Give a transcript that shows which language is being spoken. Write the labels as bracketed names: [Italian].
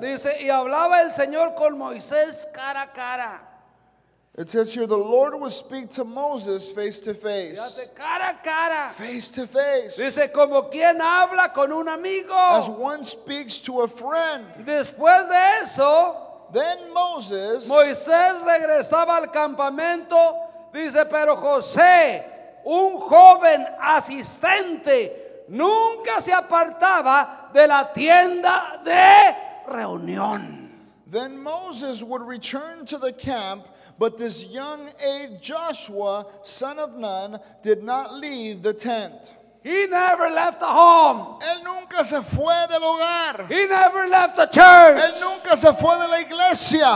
[Spanish] Dice, y hablaba el Señor con Moisés cara a cara. [English] It says here, the Lord would speak to Moses face to face. [Spanish] Cara a cara. [English] Face to face. [Spanish] Dice, como quien habla con un amigo. [English] As one speaks to a friend. [Spanish] Después de eso, [English] then Moses. [Spanish] Moisés regresaba al campamento. Dice, pero José, un joven asistente, nunca se apartaba de la tienda de reunión. [English] Then Moses would return to the camp, but this young aide Joshua, son of Nun, did not leave the tent. He never left the home. [Spanish] Él nunca se fue del hogar. [English] He never left the church. [Spanish] Él nunca se fue de la iglesia.